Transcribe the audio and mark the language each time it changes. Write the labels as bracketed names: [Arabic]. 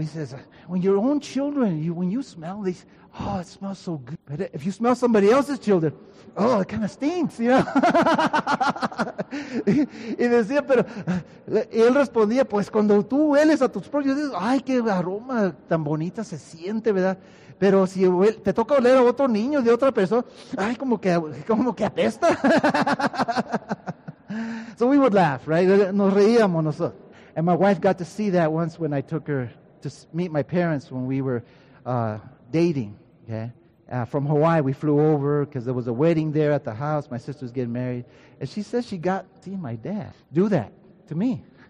[English] He says, when your own children, when you smell these, oh, it smells so good. But if you smell somebody else's children, oh, it kind of stinks, you know? [Spanish] Y decía, pero, y él respondía, pues cuando tú hueles a tus propios hijos, ay, qué aroma tan bonita se siente, ¿verdad? Pero si te toca oler a otro niño de otra persona, ay, como que apesta. [English] So we would laugh, right? [Spanish] Nos reíamos nosotros. [English] And my wife got to see that once when I took her to meet my parents when we were dating, okay? From Hawaii, we flew over because there was a wedding there at the house. My sister was getting married. And she said she got to see my dad do that to me.